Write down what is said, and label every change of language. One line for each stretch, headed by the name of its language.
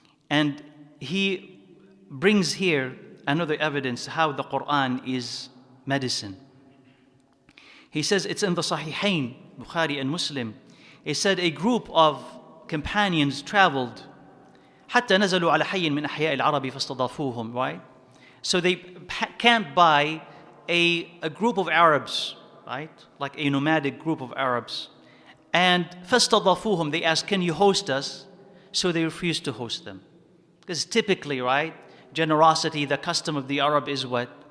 English: And he brings here another evidence how the Quran is medicine. He says it's in the Sahihain, Bukhari and Muslim. He said a group of companions traveled.
Arabic: حتى نزلوا على حي من أحياء العرب فاستضافوهم, right?
English: So they camped by a group of Arabs, right? Like a nomadic group of Arabs. And فَاسْتَضَافُوهُمْ, they ask, can you host us? So they refuse to host them. Because typically, right, generosity, the custom of the Arab is what?